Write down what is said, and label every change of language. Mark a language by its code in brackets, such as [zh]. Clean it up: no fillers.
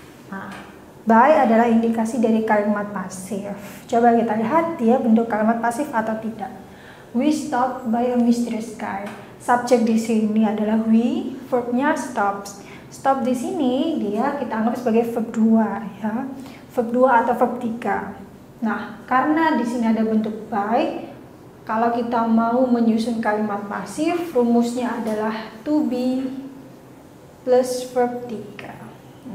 [id] Nah, by adalah indikasi dari kalimat pasif. Coba kita lihat dia bentuk kalimat pasif atau tidak. [en] We stopped by a mysterious guy. [id] Subjek di sini adalah we, verbnya stops. Stop di sini dia kita anggap sebagai verb 2 ya. Verb 2 atau verb 3. Nah, karena di sini ada bentuk by, kalau kita mau menyusun kalimat pasif, rumusnya adalah to be plus verb 3.